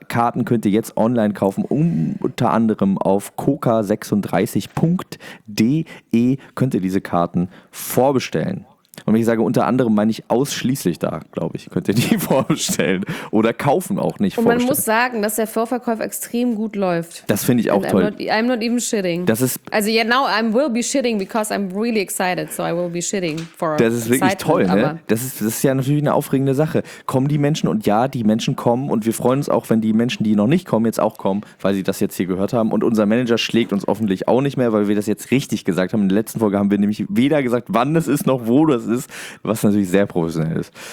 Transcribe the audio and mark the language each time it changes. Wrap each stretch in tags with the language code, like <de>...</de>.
<de>Karten könnt ihr jetzt online kaufen, unter anderem auf koka36.de könnt ihr diese Karten vorbestellen. Und wenn ich sage unter anderem, meine ich ausschließlich da, glaube ich, könnt ihr die vorbestellen oder kaufen auch nicht. Und man muss sagen, dass der Vorverkauf extrem gut läuft. Das finde ich auch</de> <en>and</en> <de>toll.</de> <en>I'm not even shitting.</en> <de>Das ist,</de> <en>also yeah, now I will be shitting because I'm really excited, so I will be shitting for</en> <de>Das ist wirklich toll, ne? Das ist ja natürlich eine aufregende Sache. Kommen die Menschen, und ja, die Menschen kommen, und wir freuen uns auch, wenn die Menschen, die noch nicht kommen, jetzt auch kommen, weil sie das jetzt hier gehört haben. Und unser Manager schlägt uns hoffentlich auch nicht mehr, weil wir das jetzt richtig gesagt haben. In der letzten Folge haben wir nämlich weder gesagt, wann es ist, noch wo das ist, was natürlich sehr professionell ist.</de>